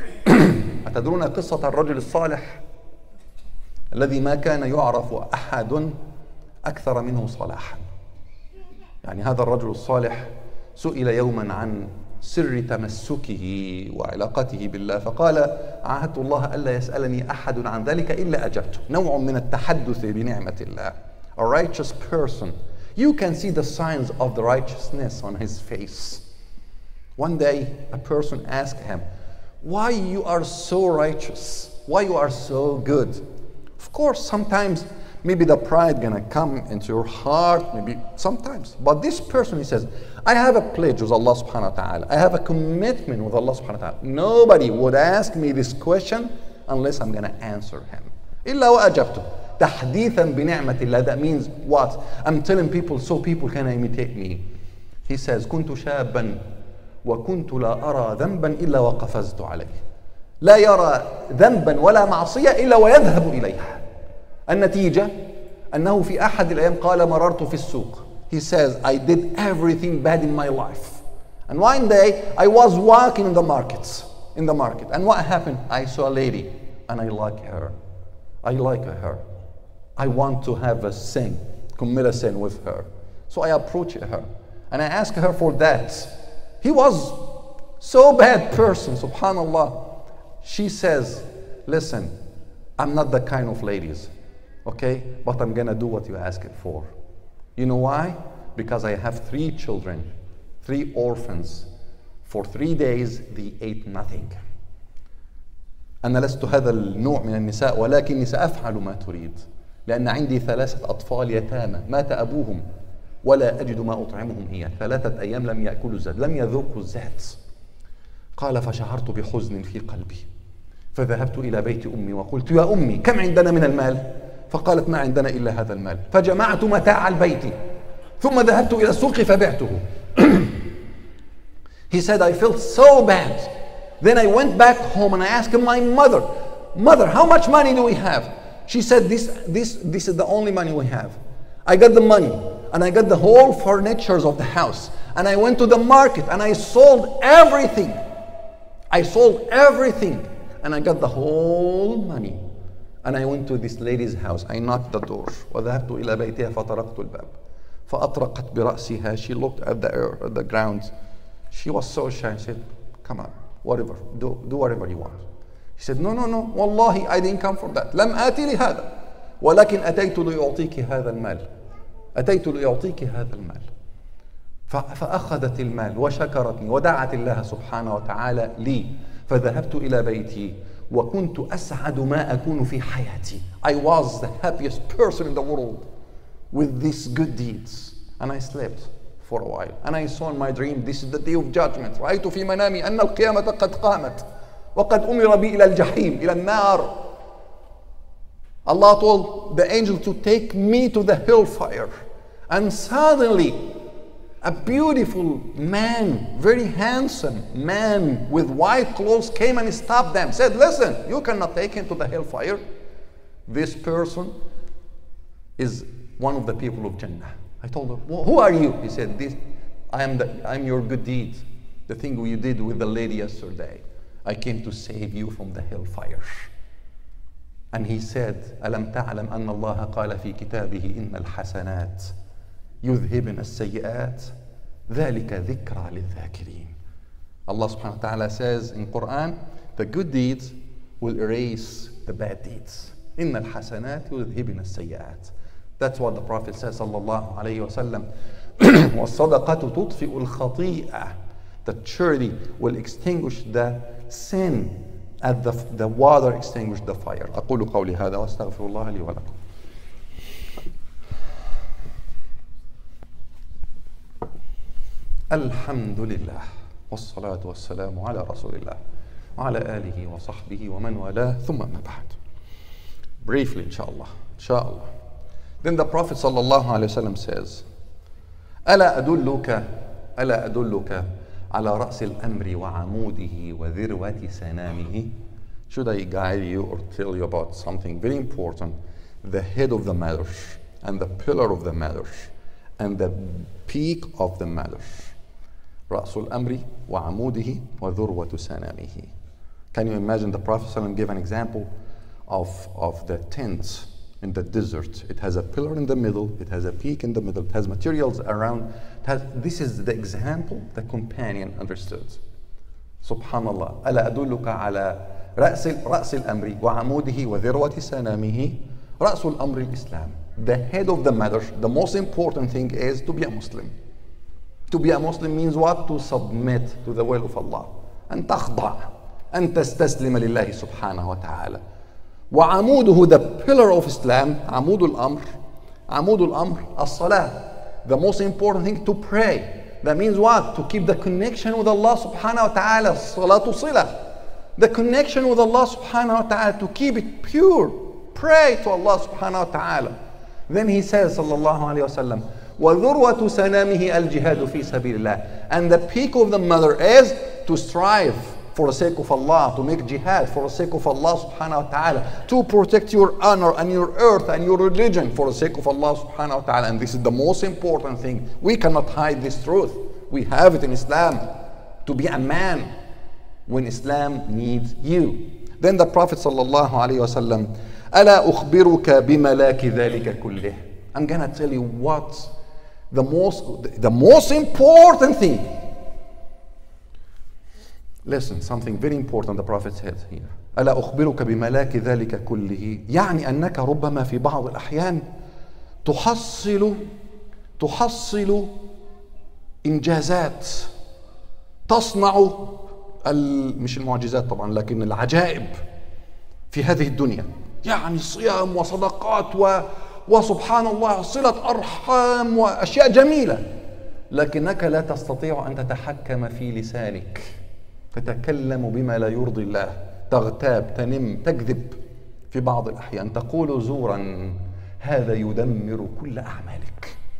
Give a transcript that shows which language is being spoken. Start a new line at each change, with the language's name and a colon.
Arabic: أتدرون قصة الرجل الصالح الذي ما كان يعرف أحد أكثر منه صلاحا. يعني هذا الرجل الصالح سئل يوما عن سر تمسكه وعلاقته بالله فقال عاهدت الله ألا يسألني أحد عن ذلك إلا أجبته. نوع من التحدث بنعمة الله.
English: A righteous person, you can see the signs of the righteousness on his face. One day a person asked him, why you are so righteous? Why you are so good? Of course sometimes maybe the pride gonna come into your heart, maybe sometimes. But this person, he says, I have a pledge with Allah subhanahu wa ta'ala. I have a commitment with Allah subhanahu wa ta'ala. Nobody would ask me this question unless I'm gonna answer him.
Arabic: إِلَّا وَأَجَبْتُ تَحْدِيثًا بِنِعْمَةِ اللَّهِ.
English: That means what? I'm telling people so people can imitate me. He says,
Arabic: كُنْتُ شَابًا وَكُنْتُ لَا أَرَى ذَنْبًا إِلَّا وَقَفَزْتُ عَلَيْهِ لَا يَرَى ذَنْبًا وَلَا مَعْصِيَةً إِلَّا وَيَذْهَبُ إِلَيْهَا. النتيجة أنه في أحد الأيام قال مررت في السوق.
English: He says I did everything bad in my life. And one day I was walking in the market. And what happened? I saw a lady and I like her. I want to have a sin, commit a sin with her. So I approached her and I asked her for that. He was so bad person, subhanallah. She says, listen, I'm not the kind of ladies. Okay, but I'm gonna do what you ask it for. You know why? Because I have three children, three orphans. For 3 days, they ate nothing.
Arabic: أنا لست هذا النوع من النساء، ولكني سأفعل ما تريد، لأن عندي ثلاثة أطفال يتامى مات أبوهم ولا أجد ما أطعمهم هي ثلاثة أيام لم يأكلوا الزاد، لم يذوقوا الزاد. قال: فشعرت بحزن في قلبي، فذهبت إلى بيت أمي وقلت: يا أمي، كم عندنا من المال؟ فقالت: ما عندنا إلا هذا المال. فجمعت متاع البيت ثم ذهبت إلى السوق فبعته.
English: He said, I felt so bad. Then I went back home and I asked my mother, Mother, how much money do we have? She said, this is the only money we have. I got the money and I got the whole furniture of the house. And I went to the market and I sold everything. I sold everything and I got the whole money. And I went to this lady's house. I knocked the door.
Arabic: وذهبت إلى بيتها فطرقت الباب. فأطرقت برأسها.
English: She looked at the earth, at the ground. She was so shy. She said, come on, whatever. Do whatever you want. She said, no. والله, I didn't come for that.
Arabic: لم آتي لهذا. ولكن أتيت ليعطيك هذا المال. أتيت ليعطيك هذا المال. فأخذت المال وشكرتني ودعت الله سبحانه وتعالى لي. فذهبت إلى بيتي وكنت أسعد ما أكون في حياتي.
English: I was the happiest person in the world with these good deeds. And I slept for a while. And I saw in my dream, this is the day of judgment.
Arabic: رأيت في منامي أن القيامة قد قامت وقد أمر بي إلى الجحيم إلى النار.
English: Allah told the angel to take me to the hellfire. And suddenly, a beautiful man, very handsome man with white clothes came and stopped them. Said, listen, you cannot take him to the hellfire. This person is one of the people of Jannah. I told him, well, who are you? He said, I am your good deed. The thing you did with the lady yesterday. I came to save you from the hellfire. And he said,
Arabic: أَلَمْ تَعْلَمْ أَنَّ اللَّهَ قَالَ فِي كِتَابِهِ إِنَّ الْحَسَنَاتِ يُذْهِبْنَ السَّيِّئَاتِ ذَلِكَ ذِكْرَى لِلذَّاكِرِينَ.
English: Allah subhanahu wa ta'ala says in Quran, the good deeds will erase the bad deeds.
Arabic: إِنَّ الْحَسَنَاتِ يُذْهِبْنَ السَّيِّئَاتِ.
English: That's what the Prophet says sallallahu alayhi wa sallam.
Arabic: وَالصَّدَقَةُ تُطْفِئُ الْخَطِيئَةِ.
English: The charity will extinguish the sin as the water extinguished the fire.
Arabic: أقول قولي هذا وأستغفر الله لي ولكم. الحمد لله والصلاة والسلام على رسول الله وعلى آله وصحبه ومن والاه. ثم ما بعد.
English: Briefly,
Arabic: inshallah, inshallah.
English: Then the Prophet
Arabic: صلى الله عليه وسلم
English: says,
Arabic: ألا أدلك على رأس الأمر وعموده وذروة سنامه.
English: Should I guide you or tell you about something very important? The head of the matter and the pillar of the matter and the peak of the matter.
Arabic: رأس الأمر وعموده وذروة سنامه.
English: Can you imagine the Prophet ﷺ gave an example of the tent in the desert? It has a pillar in the middle, it has a peak in the middle, it has materials around. This is the example the companion understood. Subhanallah.
Arabic: ألا أدلك على رأس الأمر وعموده وذروة سنامه. رأس الأمر الإسلام.
English: The head of the matter, the most important thing is to be a Muslim. To be a Muslim means what? To submit to the will of Allah.
Arabic: أن تخضع. أن تستسلم لله سبحانه وتعالى. وعموده,
English: the pillar of Islam,
Arabic: عمود الأمر. عمود الأمر, الصلاة.
English: The most important thing, to pray. That means what? To keep the connection with Allah سبحانه وتعالى.
Arabic: الصلاة صلة.
English: The connection with Allah
Arabic: سبحانه وتعالى.
English: To keep it pure. Pray to Allah سبحانه وتعالى. Then he says,
Arabic: صلى الله عليه وسلم, وذروة سنامه الجهاد في سبيل الله.
English: And the peak of the matter is to strive for the sake of Allah, to make jihad for the sake of Allah subhanahu wa ta'ala, to protect your honor and your earth and your religion for the sake of Allah subhanahu wa ta'ala. And this is the most important thing. We cannot hide this truth. We have it in Islam. To be a man when Islam needs you. Then the Prophet
Arabic: sallallahu alayhi wa sallam, أَلَا أُخْبِرُكَ بِمَلَاكِ ذَلِكَ كُلِّهِ.
English: I'm gonna tell you what the most important thing. Listen, something very important the Prophet said here.
Arabic: ألا أخبرك بملاك ذلك كله. يعني أنك ربما في بعض الأحيان تحصل إنجازات, تصنع مش المعجزات طبعا لكن العجائب, في هذه الدنيا، يعني صيام وصدقات وسبحان الله صلة أرحام وأشياء جميلة، لكنك لا تستطيع أن تتحكم في لسانك تتكلم بما لا يرضي الله، تغتاب، تنم، تكذب، في بعض الأحيان تقول زورا، هذا يدمر كل أعمالك،